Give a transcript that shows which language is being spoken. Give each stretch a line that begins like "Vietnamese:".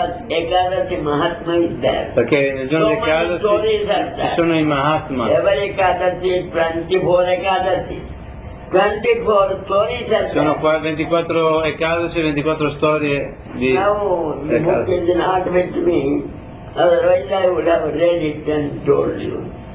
English: Ekadasi Mahatma is there.
Italian: Perché nel giorno di Ekadasi ci sono i Mahatma.
English: Every Ekadasi is 24 Ekadasi. 24 stories are there.
Italian: Sono qua 24 Ekadasi, 24 storie di Ekadasi.
English: Now, the book is not with me. Otherwise I would have read it and told you.